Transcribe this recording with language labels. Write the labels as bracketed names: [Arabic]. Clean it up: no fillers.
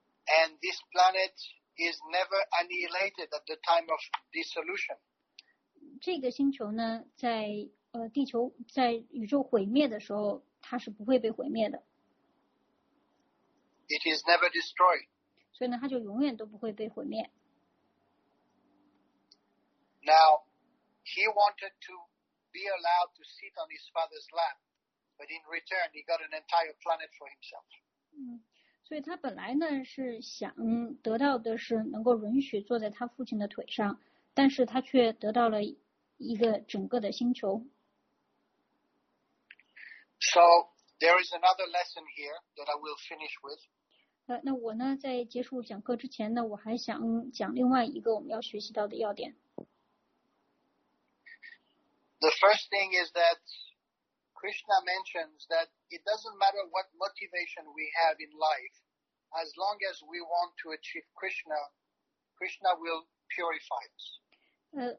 [English] And this planet is never annihilated at the time of dissolution. [Chinese] 这个星球呢，在地球在宇宙毁灭的时候，它是不会被毁灭的。 [English] It is never destroyed. [Chinese] 所以呢，它就永远都不会被毁灭。 [English] Now, he wanted to be allowed to sit on his father's lap, but in return, he got an entire planet for himself. [Chinese] 所以他本来呢是想得到的是能够允许坐在他父亲的腿上，但是他却得到了一个整个的星球。 [English] So there is another lesson here that I will finish with. [Chinese] 那我呢在结束讲课之前呢，我还想讲另外一个我们要学习到的要点。 [English] The first thing is that Krishna mentions that it doesn't matter what motivation we have in life, as long as we want to achieve Krishna, Krishna will purify us.